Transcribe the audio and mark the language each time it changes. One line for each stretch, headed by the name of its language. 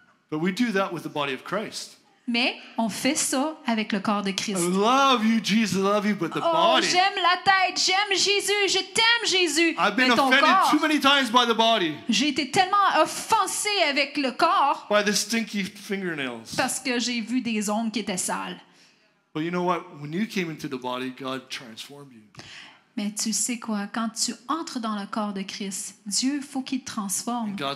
English: But we do that with the body of Christ.
French: Mais on fait ça avec le corps de Christ.
English: I love you, Jesus, I love you, but the body.
French: Oh, j'aime la tête, j'aime Jésus, je t'aime Jésus.
English: I've been
French: mais ton
English: offended
French: corps,
English: too many times by the body.
French: J'ai été tellement offensé avec le corps.
English: By the stinky fingernails.
French: Parce que j'ai vu des ongles qui étaient sales.
English: But you know what? When you came into the body, God transformed you.
French: Mais tu sais quoi? Quand tu entres dans le corps de Christ, Dieu faut qu'il te transforme.